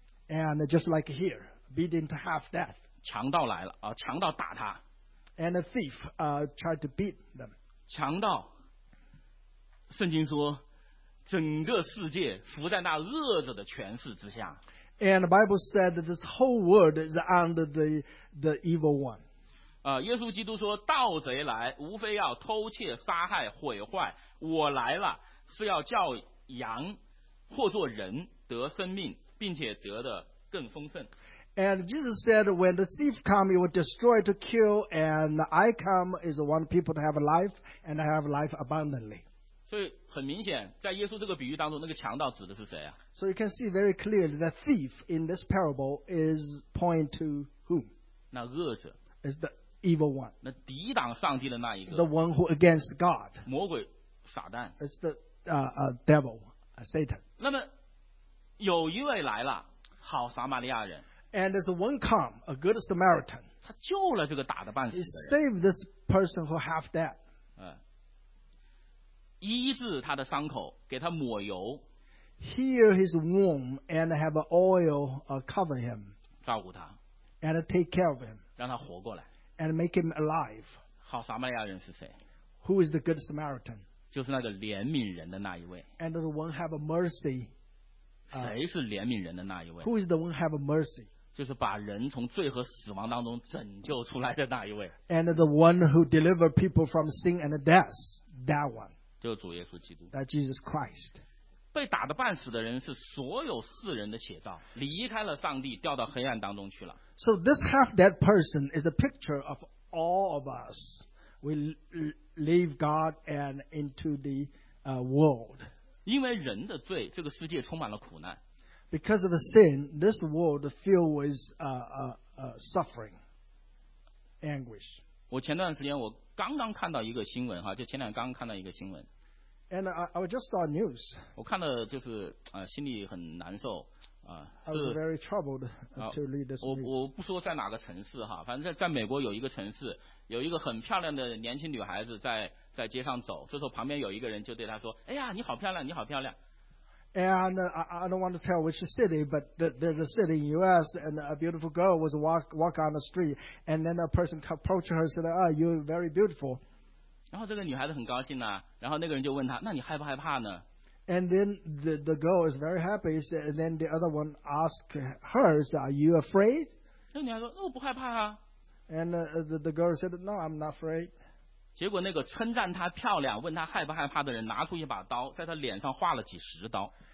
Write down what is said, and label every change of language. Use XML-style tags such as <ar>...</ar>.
<en>And just like here, beaten to half death.</en> <zh>强盗来了, 强盗打他。</zh> <en>And a thief tried to beat them.</en> <zh>强盗, 圣经说, 整个世界伏在那恶者的权势之下。</zh> <en>And the Bible said that this whole world is under the evil one.</en> <zh>耶稣基督说，盗贼来，无非要偷窃、杀害、毁坏。我来了，是要叫羊或做人得生命，并且得的更丰盛。</zh> <en>And Jesus said, when the thief come, he will destroy to kill, and I come is the one people to have life, and have life abundantly.</en> <zh>所以很明显，在耶稣这个比喻当中，那个强盗指的是谁啊？</zh> <en>So you can see very clearly that thief in this parable is point to whom?</en> <zh>那恶者。</zh> <en>Is the evil one.</en> <zh>那抵挡上帝的那一个。</zh> <en>The one who against God.</en> <zh>魔鬼，撒旦。</zh> <en>It's the devil, Satan.</en> <zh>那么有一位来了，好撒玛利亚人。</zh> <en>And there's one come, a good Samaritan.</en> <zh>他救了这个打得半死的人。</zh> <en>He saved this person who half dead.</en> <zh>医治他的伤口，给他抹油。</zh> <en>Heal his wound and have oil cover him.</en> <zh>照顾他。</zh> <en>And take care of him.</en> <zh>让他活过来。</zh> <en>And make him alive.</en> <zh>好撒玛利亚人是谁？</zh> <en>Who is the good Samaritan?</en> <zh>就是那个怜悯人的那一位。</zh> <en>And the one have mercy.</en> <zh>谁是怜悯人的那一位？</zh> <en>Who is the one have mercy?</en> <zh>就是把人从罪和死亡当中拯救出来的那一位。</zh> <en>And the one who deliver people from sin and death, that one.</en> <zh>就是主耶稣基督。</zh> <en>That Jesus Christ.</en> <zh>被打得半死的人是所有世人的写照，离开了上帝，掉到黑暗当中去了。</zh> <en>So this half-dead person is a picture of all of us. We leave God and into the world.</en> <zh>因为人的罪，这个世界充满了苦难。</zh> <en>Because of the sin, this world filled with suffering, anguish.</en> <zh>我前段时间我刚刚看到一个新闻哈，就前两天刚刚看到一个新闻。</zh> <en>And I just saw news.</en> <zh>我看了就是心里很难受。</zh> <en>I was very troubled to read this news.</en> <zh>我不说在哪个城市哈，反正在美国有一个城市，有一个很漂亮的年轻女孩子在街上走，这时候旁边有一个人就对她说：“哎呀，你好漂亮，你好漂亮。”</zh> <en>And I don't want to tell which city, but there's a city in U.S. and a beautiful girl was walk on the street, and then a person approached her and said, "Ah, you're very beautiful."</en> <zh>然后这个女孩子很高兴呐，然后那个人就问她：“那你害不害怕呢？”</zh> <en>And then the girl is very happy. And then the other one asked her, "Are you afraid?"</en> <zh>那女孩说：“那我不害怕啊。”</zh> <en>And the girl said, "No, I'm not afraid."</en> <zh>结果那个称赞她漂亮、问她害不害怕的人拿出一把刀，在她脸上划了几十刀。</zh>